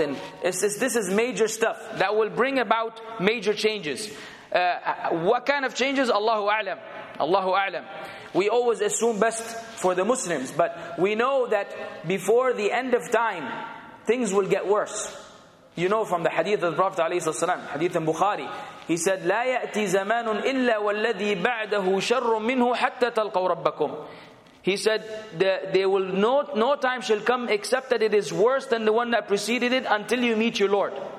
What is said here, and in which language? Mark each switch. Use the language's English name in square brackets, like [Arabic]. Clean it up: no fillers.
[English] And this is major stuff that will bring about major changes. What kind of changes? Allahu A'lam. Allahu A'lam. We always assume best for the Muslims. But we know that before the end of time, things will get worse. From the hadith of the Prophet ﷺ, hadith in Bukhari, he said, [Arabic] لا يأتي زمان إلا والذي بعده شر منه حتى تلقوا ربكم. [English] He said, no time shall come except that it is worse than the one that preceded it until you meet your Lord.